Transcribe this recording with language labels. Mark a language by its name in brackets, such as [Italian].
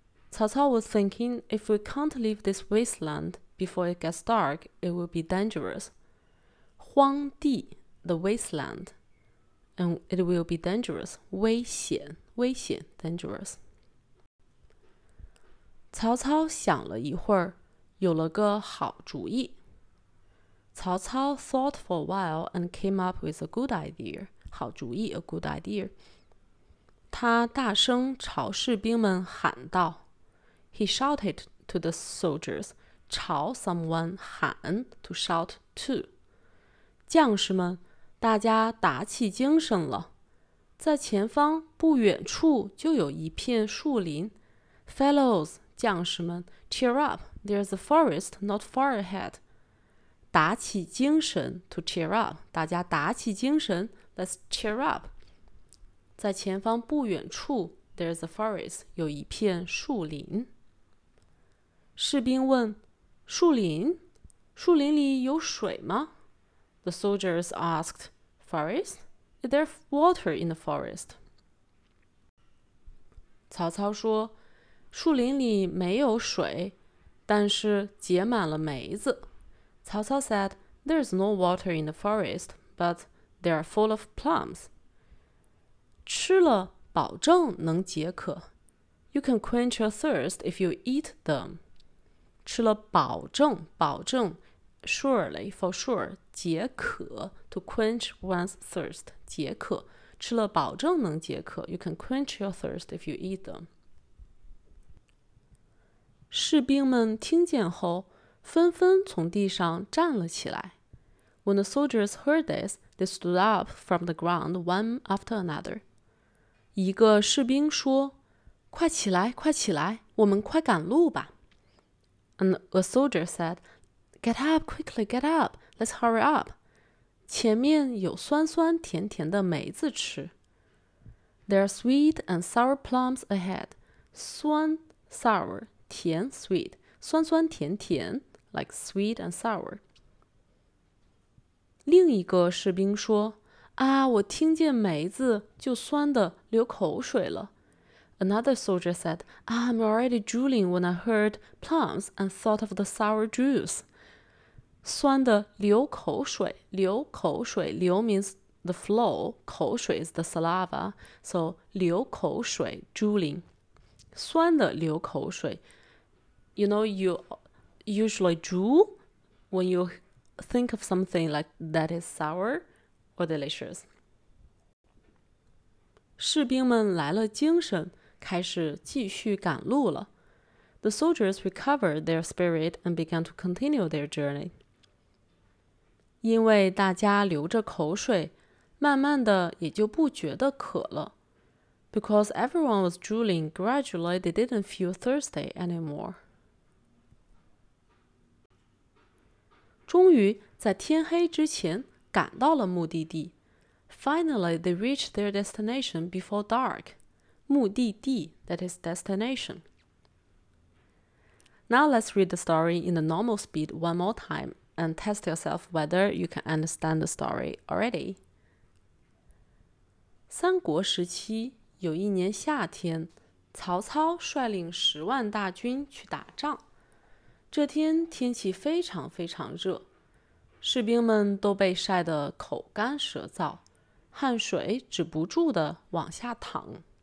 [English] 曹操 was thinking, if we can't leave this wasteland before it gets dark, it will be dangerous. 荒地 the wasteland, and it will be dangerous. [Chinese] 危险，危险 dangerous. 曹操想了一会儿，有了个好主意。 [English] 曹操 thought for a while and came up with a good idea. [Chinese] 好主意 [English] a good idea. [Chinese] 他大声朝士兵们喊道。 [English] He shouted to the soldiers, 朝 someone 喊 to shout to. [Chinese] 将士们，大家打起精神了。在前方不远处就有一片树林。 [English] Fellows, 将士们 cheer up, there's a forest not far ahead. 打起精神 to cheer up, 大家打起精神 let's cheer up. [Chinese] 在前方不远处 [English] there's a forest, [Chinese] 有一片树林。士兵问树林？树林里有水吗？ [English] The soldiers asked, forest? Is there water in the forest? [Chinese] 曹操说树林里没有水，但是结满了梅子。 [English] 曹操 said, there is no water in the forest, but they are full of plums. [Chinese] 吃了保证能解渴。 [English] You can quench your thirst if you eat them. [Chinese] 吃了保证， [English] 保证 surely, for sure, 解渴 to quench one's thirst, 解渴。 [Chinese] 吃了保证能解渴。 [English] You can quench your thirst if you eat them. [Chinese] 士兵们听见后纷纷从地上站了起来。 [English] When the soldiers heard this, they stood up from the ground one after another. [Chinese] 一个士兵说，快起来，快起来，我们快赶路吧。 [English] And a soldier said, get up, quickly, get up, let's hurry up. [Chinese] 前面有酸酸甜甜的梅子吃。 [English] There are sweet and sour plums ahead. 酸 sour, 甜 sweet, 酸酸甜甜。 Like sweet and sour. [Chinese] 另一个士兵说，啊，我听见梅子就酸得流口水了。 [English] Another soldier said, I'm already drooling when I heard plums and thought of the sour juice. 酸得流口水，流口水，流 means the flow, 口水 is the saliva, so 流口水 drooling. [Chinese] 酸得流口水。 [English] You know, you... Usually drool when you think of something like that is sour or delicious. [Chinese] 士兵们来了精神，开始继续赶路了。 [English] The soldiers recovered their spirit and began to continue their journey. [Chinese] 因为大家流着口水，慢慢的也就不觉得渴了。 [English] Because everyone was drooling, gradually they didn't feel thirsty anymore. [Chinese] 终于在天黑之前赶到了目的地。 [English] Finally, they reached their destination before dark. 目的地 that is destination. Now let's read the story in the normal speed one more time and test yourself whether you can understand the story already. [Chinese] 三国时期有一年夏天，曹操率领十万大军去打仗。这天天气非常非常热，士兵们都被晒得口干舌燥，汗水止不住地往下淌。